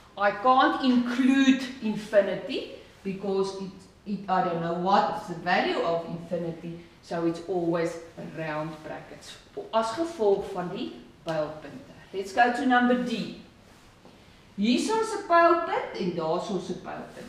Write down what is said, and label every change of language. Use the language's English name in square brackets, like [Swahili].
[English] I can't include infinity because I don't know what is the value of infinity, so it's always round brackets. [Afrikaans] As gevolg van die pylpunte. [English] Let's go to number D. [Afrikaans] Hier is ons 'n pylpunt en daar is ons 'n pylpunt.